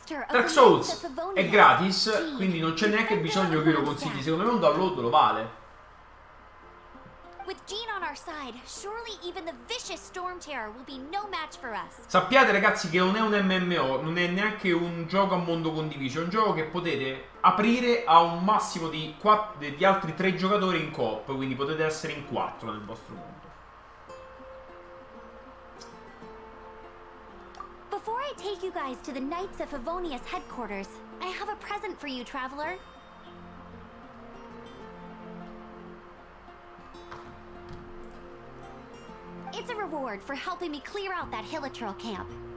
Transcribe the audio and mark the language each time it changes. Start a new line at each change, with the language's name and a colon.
Italian: Dark Souls è gratis, quindi non c'è neanche bisogno che io lo consigli, secondo me un download lo vale.
English: With Jean on our side, surely even the vicious storm terror will be no match for us.
Italian: Sappiate ragazzi che non è un MMO, non è neanche un gioco a mondo condiviso, è un gioco che potete aprire a un massimo di di altri 3 giocatori in coop, quindi potete essere in 4 nel vostro mondo.
English: Before I take you guys to the Knights of Favonius headquarters, I have a present for you, traveler. It's a reward for helping me clear out that Hilichurl camp.